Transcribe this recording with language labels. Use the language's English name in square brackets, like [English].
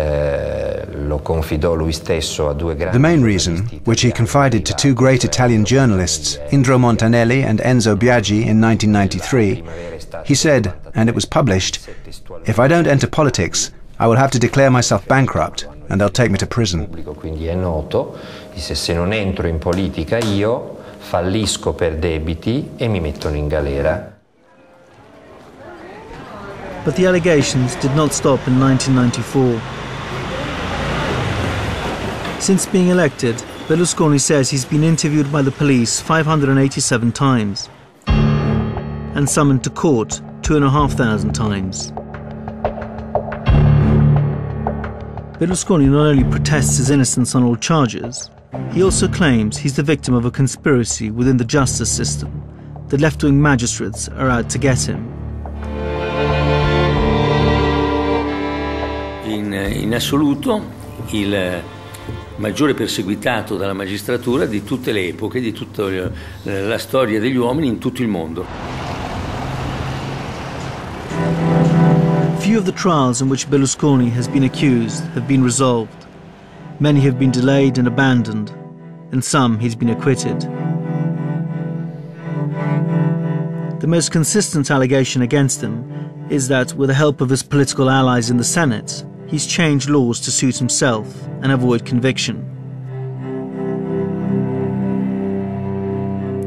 [English] The main reason, which he confided to two great Italian journalists, Indro Montanelli and Enzo Biaggi in 1993, he said, and it was published, if I don't enter politics, I will have to declare myself bankrupt and they'll take me to prison. [Italian] Quindi è noto, disse, se non entro in politica io fallisco per debiti e mi mettono in galera. [English] But the allegations did not stop in 1994. Since being elected, Berlusconi says he's been interviewed by the police 587 times and summoned to court 2,500 times. Berlusconi not only protests his innocence on all charges, he also claims he's the victim of a conspiracy within the justice system. The left-wing magistrates are out to get him. [Italian] In assoluto il maggiore perseguitato dalla magistratura di tutte le epoche, di tutta la storia degli uomini in tutto il mondo. [English] Few of the trials in which Berlusconi has been accused have been resolved. Many have been delayed and abandoned, and some he's been acquitted. The most consistent allegation against him is that with the help of his political allies in the Senate, he's changed laws to suit himself and avoid conviction.